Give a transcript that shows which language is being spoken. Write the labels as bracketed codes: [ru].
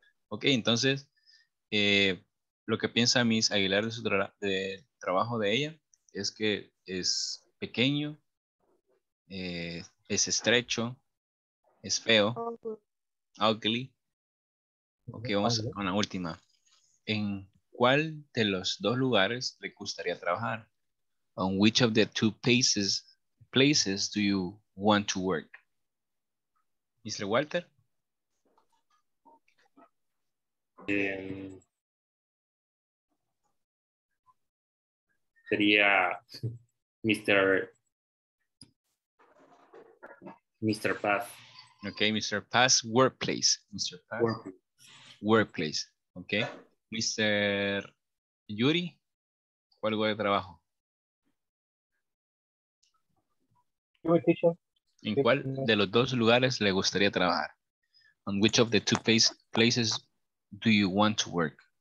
[es] Ok, entonces, lo que piensa Miss Aguilar de su trabajo de ella es que es pequeño, es estrecho, es feo, ugly. Ok, vamos con la última. ¿En cuál de los dos lugares le gustaría trabajar? [en] On which of the two places do you want to work? Mr. Walter? [es] Sería Mr. Paz. [en] Okay, Mr. Paz, workplace. Mr. Paz, workplace. Okay. [es] Mr. Yuri, ¿cuál lugar de trabajo? ¿En cuál de los dos lugares le gustaría trabajar? [en] On which of the two places do you want to work?